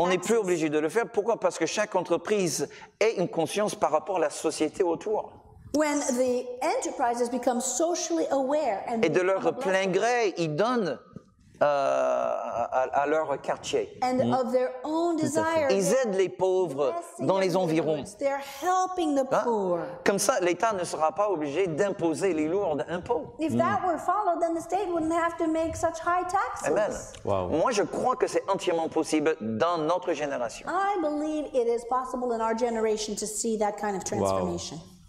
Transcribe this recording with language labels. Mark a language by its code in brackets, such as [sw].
[fr] On n'est plus obligé de le faire. Pourquoi? Parce que chaque entreprise ait une conscience par rapport à la société autour. [en] When the enterprises become socially aware and [fr] et de leur plein gré, ils donnent à leur quartier. [en] And of their own desire, [fr] ils aident les pauvres dans les environs. [en] They're helping the poor. [fr] Comme ça, l'État ne sera pas obligé d'imposer les lourds impôts. [en] If that were followed, then the state wouldn't have to make such high taxes. Amen. Wow. [fr] Moi, je crois que c'est entièrement possible dans notre génération. [en] I believe it is possible in our generation to see that kind of transformation.